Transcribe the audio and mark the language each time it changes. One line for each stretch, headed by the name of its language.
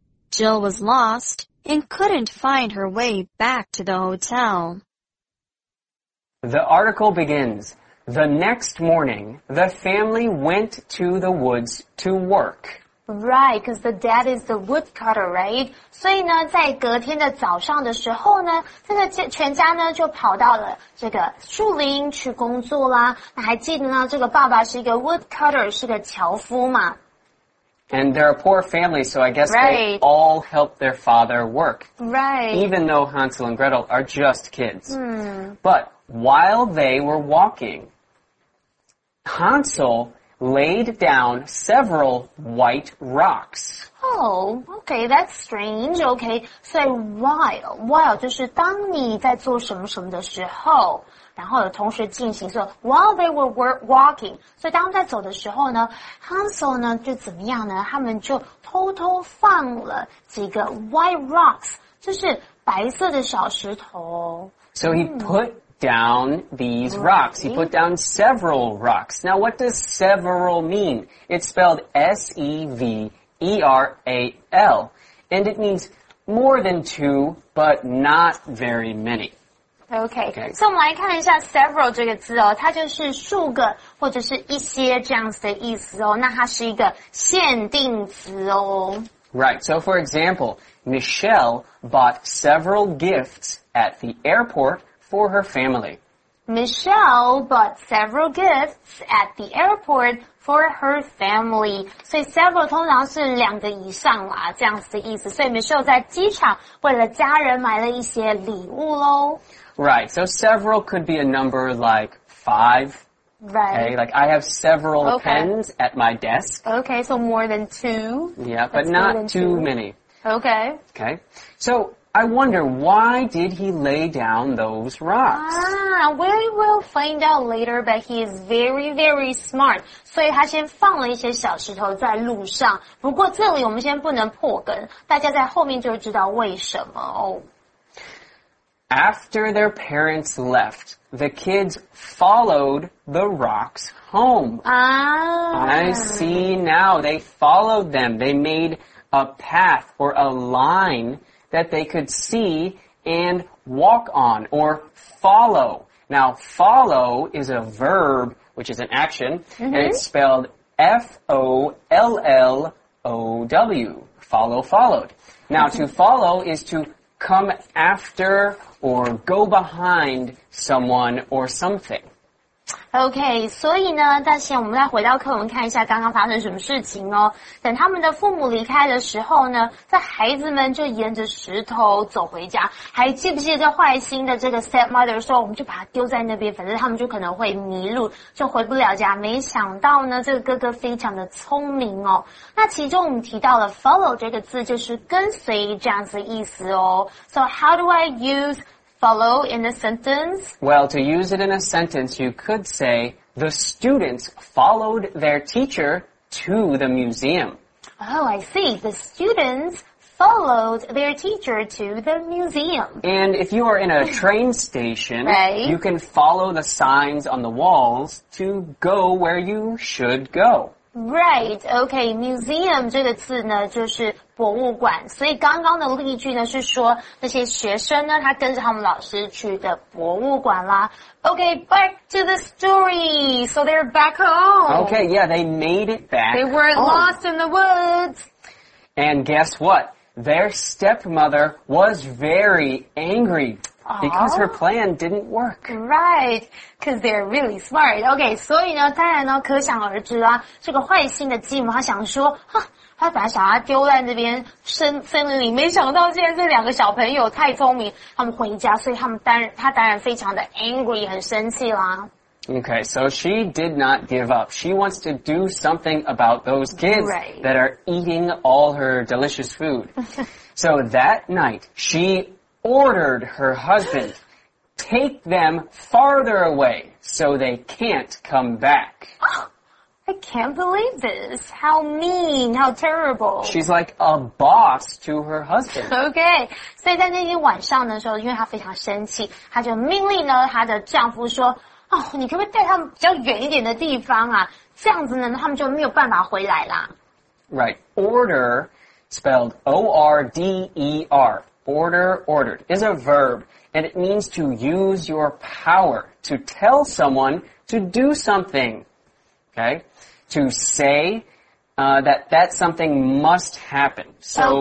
English: Jill was lost and couldn't find her way back to the hotel. The article begins. The next morning, the family went to the woods to work. Right, because the dad is the woodcutter, right?
Chinese: 所以呢，在隔天的早上的时候呢，这个全家呢就跑到了这个树林去工作啦。那还记得呢，这个爸爸是一个 woodcutter, 是个樵夫嘛。
English: And they're a poor family, so I guess they all help their father work. Right. Even though Hansel and Gretel are just kids. But while they were walking, Hansel... laid down several white rocks. Oh, okay, that's strange. Okay, so while
Chinese: 就是当你在做什么什么的时候，然后同时进行说
English: while they were walking.
Chinese: 所以当在走的时候呢 ，Hansel 呢就怎么样呢？他们就偷偷放了几个
English: white rocks，
Chinese: 就是白色的小石头。
English: So he put. Down these rocks. He put down several rocks. Now, what does several mean? It's spelled S-E-V-E-R-A-L. And it means more than two, but not very many. Okay. Okay.
Chinese: So, 我们来看一下 several 这个字哦，它就是数个或者是一些这样子的意思哦。那它是一个限定词哦。
English: Right. So, for example, Michelle bought several gifts at the airport.For her family. Michelle bought several gifts at the airport for her family.
Chinese: 所以 several 通常是两个以上啦，这样子的意思。所以 Michelle 在机场为了家人买了一些礼物咯。
English: Right, so several could be a number like five. Right. Okay, like I have several pens at my desk. Okay, so more than two. Yeah, but not too many. Okay. Okay, so... I wonder, why did he lay down those rocks? We will find out later, but he is very, very smart.
Chinese: 所以他先放了一些小石头在路上。不过这里我们先不能破梗，大家在后面就知道为什么哦。
English: After their parents left, the kids followed the rocks home. I see now. They followed them. They made a path or a line. That they could see and walk on or follow. Now, follow is a verb, which is an action,、mm-hmm. and it's spelled F-O-L-L-O-W. Follow, followed. Now, to follow is to come after or go behind someone or something.
Chinese: OK, 所以呢但是我们再回到课文看一下刚刚发生什么事情哦。等他们的父母离开的时候呢这孩子们就沿着石头走回家。还记不记得这坏心的这个 stepmother 说我们就把他丢在那边反正他们就可能会迷路就回不了家。没想到呢这个哥哥非常的聪明哦。那其中我们提到了 follow 这个字就是跟随这样子的意思哦。
English: So how do I useFollow in a sentence? Well, to use it in a sentence, you could say, the students followed their teacher to the museum. Oh, I see. The students followed their teacher to the museum. And if you are in a train station, right? You can follow the signs on the walls to go where you should go. Right, okay,
Chinese: museum 这个字呢就是博物馆所以刚刚的例句呢是说那些学生呢他跟着他们老师去的博物馆啦
English: Okay, back to the story, so they're back home Okay, yeah, they made it back They were lost in the woods And guess what? Their stepmother was very angryBecause her plan didn't work. Right, because they're really smart.
Chinese: Okay, 所以呢当然呢可想而知啊这个坏心的继母他想说哈他把小孩丢在那边森林里没想到现在这两个小朋友太聪明他们回家所以他当然非常的 angry, 很生气啦。
English: Okay, so she did not give up. She wants to do something about those kids、 right. that are eating all her delicious food. So that night, sheordered her husband, take them farther away so they can't come back. I can't believe this. How mean, how terrible. She's like a boss to her husband.
Chinese: Okay, 所以在那天晚上的时候因为她非常生气她就命令了她的丈夫说、oh, 你可不可以带他们比较远一点的地方啊这样子呢他们就没有办法回来啦。
English: Right, order, spelled O-R-D-E-R. Ordered is a verb, and it means to use your power to tell someone to do something, okay? To say, that something must happen. So,